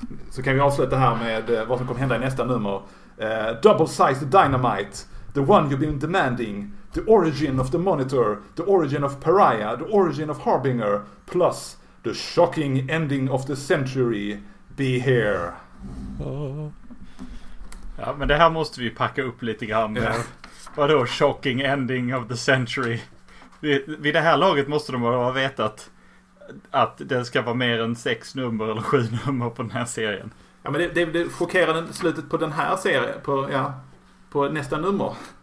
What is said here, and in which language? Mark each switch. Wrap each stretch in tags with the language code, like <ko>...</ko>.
<sv>Så kan vi avsluta här med vad som kommer hända i nästa nummer.</sv> <en>Double sized dynamite, the one you've been demanding, the origin of the monitor, the origin of Pariah, the origin of Harbinger, plus the shocking ending of the century. Be here.</en> <sv>Ja, men det här måste vi packa upp lite grann. Ja. Vadå,</sv> <en>shocking ending of the century.</en> <sv>Vid det här laget måste de ha vetat att det ska vara mer än 6 nummer eller 7 nummer på den här serien. Ja, men det chockerade slutet på den här serien, på nästa nummer.</sv>